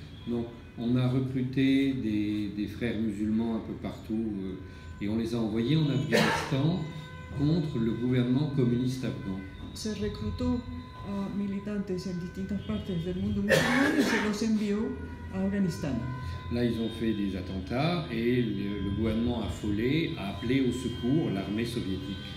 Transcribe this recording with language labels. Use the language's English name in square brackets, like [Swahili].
[French] Donc, on a recruté des frères musulmans un peu partout et on les a envoyés en Afghanistan contre le gouvernement communiste afghan. [Spanish] Se reclutó a militantes en distintas partes del mundo musulmán y se los envió a Afganistán. [French] Là, ils ont fait des attentats et le gouvernement affolé a appelé au secours l'armée soviétique.